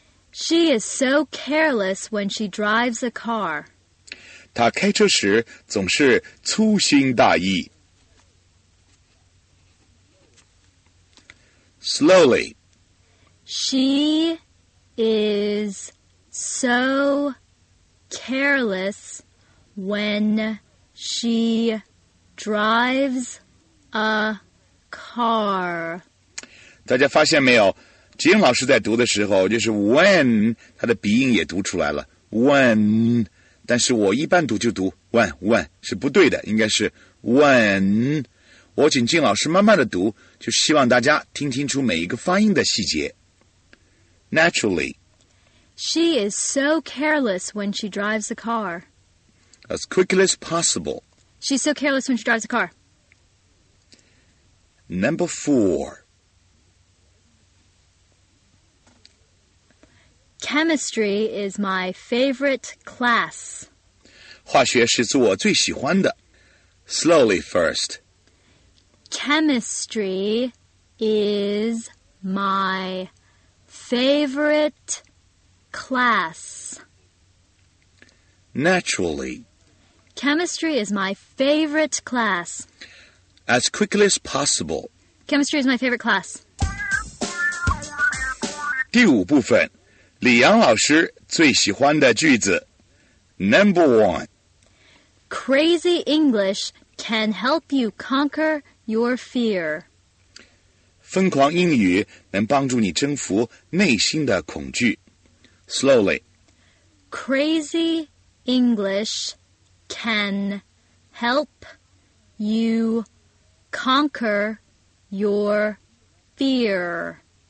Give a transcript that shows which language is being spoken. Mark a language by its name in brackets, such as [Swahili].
[English] She is so careless when she drives a car. [Chinese] 她开车时总是粗心大意。 [English] Slowly. She is so careless whenShe drives a car. [Chinese] 大家发现没有？吉英老师在读的时候，就是 when， 他的鼻音也读出来了 when。但是我一般读就读 when when 是不对的，应该是 when。我请静老师慢慢的读，就希望大家听清楚每一个发音的细节。 [English] Naturally, she is so careless when she drives a car. As quickly as possible. She's so careless when she drives a car. Number 4. Chemistry is my favorite class. [Chinese] 化学是我最喜欢的。 [English] Slowly first. Chemistry is my favorite class. Naturally. Chemistry is my favorite class. As quickly as possible. Chemistry is my favorite class. [Chinese] 第五部分，李阳老师最喜欢的句子。 [English] Number 1. Crazy English can help you conquer your fear. [Chinese] 疯狂英语能帮助你征服内心的恐惧。 [English] Slowly. Crazy English... can help you conquer your fear.